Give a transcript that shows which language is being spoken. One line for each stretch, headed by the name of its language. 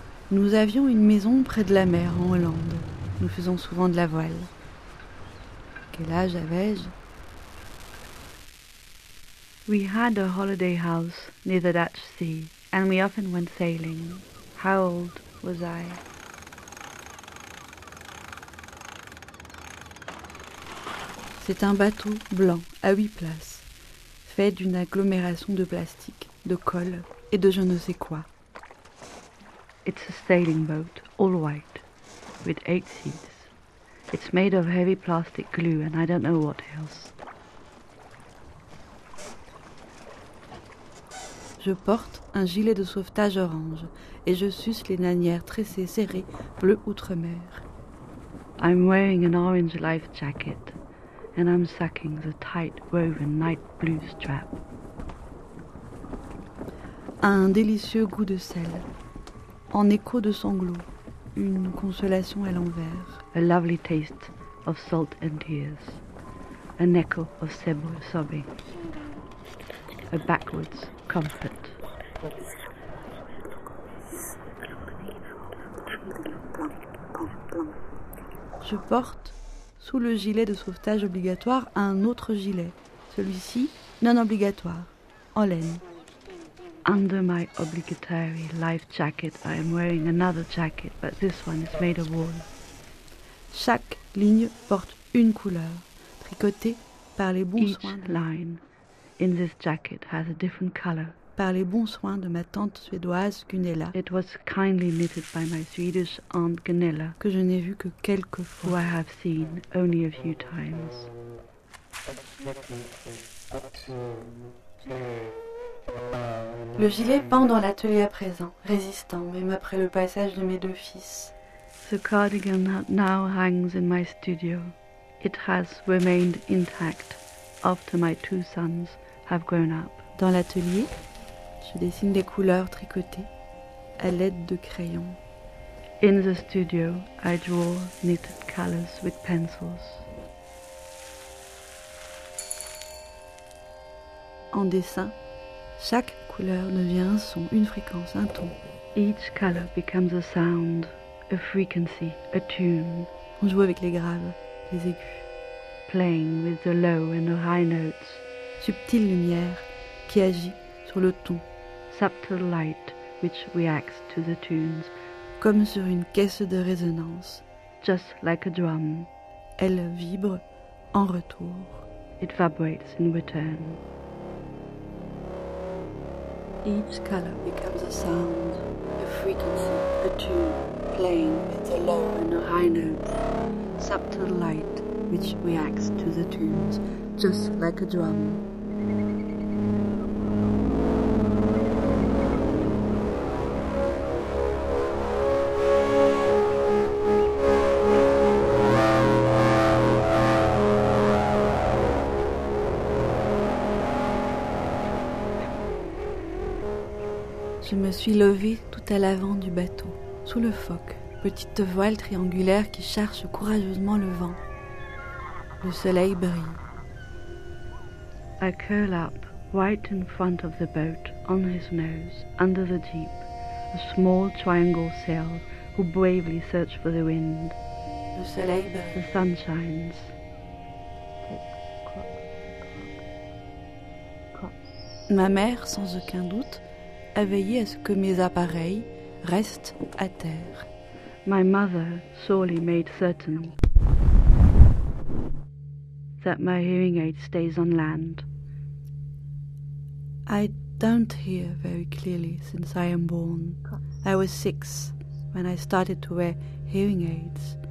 French: Nous avions une maison près de la mer, en Hollande. Nous faisons souvent de la voile. Quel âge avais-je?
English: We had a holiday house near the Dutch Sea, and we often went sailing. How old was I?
French: C'est un bateau blanc à 8 places, fait d'une agglomération de plastique, de colle et de je ne sais quoi.
English: It's a sailing boat, all white, with 8 seats. It's made of heavy plastic glue and I don't know what else.
French: Je porte un gilet de sauvetage orange et je suce les lanières tressées serrées bleu outre-mer.
English: I'm wearing an orange life jacket and I'm sucking the tight woven night blue strap.
French: Un délicieux goût de sel. En écho de sanglots, une consolation à l'envers.
English: A lovely taste of salt and tears. An echo of sobbing. A backwards comfort.
French: Je porte, sous le gilet de sauvetage obligatoire, un autre gilet. Celui-ci, non obligatoire, en laine.
English: Under my obligatory life jacket, I am wearing another jacket, but this one is made of wool.
French: Chaque ligne porte une couleur, tricotée par les bons soins.
English: Each line in this jacket has a different color.
French: Par les bons soins de ma tante suédoise Gunella.
English: It was kindly knitted by my Swedish aunt Gunella.
French: Que je n'ai vu que quelques fois.
English: Who I have seen only a few times.
French: Le gilet pend dans l'atelier à présent, résistant, même après le passage de mes deux fils.
English: The cardigan now hangs in my studio. It has remained intact after my two sons have grown up.
French: Dans l'atelier, je dessine des couleurs tricotées à l'aide de crayons.
English: In the studio, I draw knitted colors with pencils.
French: En dessin, chaque couleur devient un son, une fréquence, un ton.
English: Each color becomes a sound, a frequency, a tune.
French: On joue avec les graves, les aigus.
English: Playing with the low and the high notes.
French: Subtile lumière qui agit sur le ton.
English: Subtle light which reacts to the tunes.
French: Comme sur une caisse de résonance.
English: Just like a drum.
French: Elle vibre en retour.
English: It vibrates in return. Each color becomes a sound, a frequency, a tune, playing with the low and the high notes. Subtle light which reacts to the tunes, just like a drum.
French: Je me suis levée tout à l'avant du bateau, sous le foc, petite voile triangulaire qui cherche courageusement le vent. Le soleil brille.
English: I curl up, right in front of the boat, on his nose, under the jeep, a small triangle sail who bravely search for the wind.
French: Le soleil brille.
English: The sun shines.
French: Ma mère, sans aucun doute, a veillé à ce que mes appareils restent à terre.
English: My mother surely made certain that my hearing aid stays on land. I don't hear very clearly since I am born. I was 6 when I started to wear hearing aids.